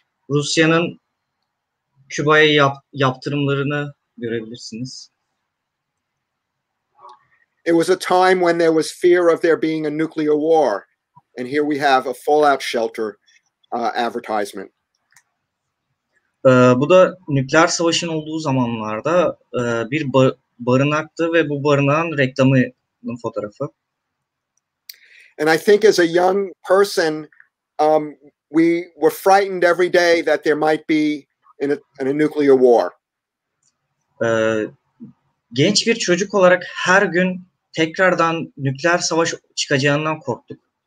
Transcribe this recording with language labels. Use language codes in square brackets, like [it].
[tr] Rusya'nın Küba'ya yaptırımlarını görebilirsiniz. [en] It was a time when there was fear of there being a nuclear war, and here we have a fallout shelter advertisement. [tr] Bu da nükleer savaşın olduğu zamanlarda bir barınaktı ve bu barınağın reklamının fotoğrafı. [en] And I think as a young person, we were frightened every day that there might be in a nuclear war. [tr] Genç bir çocuk olarak her gün tekrardan nükleer savaş çıkacağından korktuk.